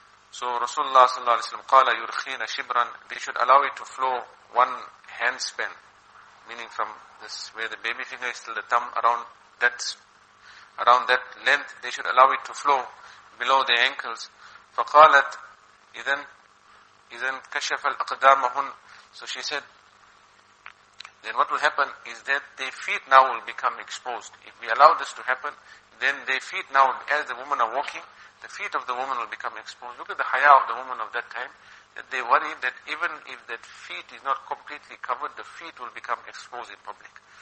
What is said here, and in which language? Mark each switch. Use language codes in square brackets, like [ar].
[en] So Rasulullah sallallahu alayhi wa sallam [ar] qala yurkhina shibran, [en] they should allow it to flow one hand span, meaning from this where the baby finger is till the thumb, around that length, they should allow it to flow below the ankles. [ar] فقالت إذن كشف الأقدامهن. [en] So she said, then what will happen is that their feet now will become exposed. If we allow this to happen, then their feet now, as the women are walking, the feet of the woman will become exposed. Look at the haya of the woman of that time, that they worry that even if that feet is not completely covered, the feet will become exposed in public.